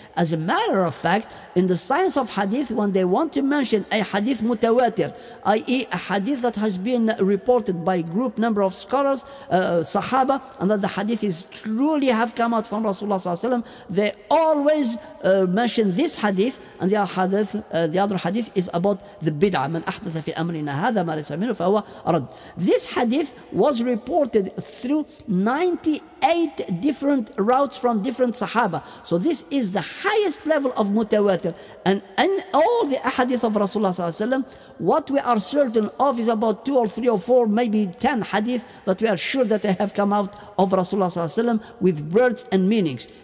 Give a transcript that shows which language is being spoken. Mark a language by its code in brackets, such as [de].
[en] As a matter of fact, in the science of hadith, when they want to mention a hadith mutawatir, i.e. a hadith that has been reported by a group number of scholars, sahaba, and that the hadith is truly have come out from Rasulullah sallallahu alaihi wasallam, they always mention this hadith, and the other hadith, is about the bid'ah. [ar] من أحدث في أمرنا هذا ما ليس منه فهو رد. [en] This hadith was reported through 98 different routes from different sahaba. So this is the highest level of mutawatir. And in all the ahadith of Rasulullah sallallahu alaihi wasallam, what we are certain of is about 2 or 3 or 4, maybe 10 hadith that we are sure that they have come out of Rasulullah sallallahu alaihi wasallam with words and meanings.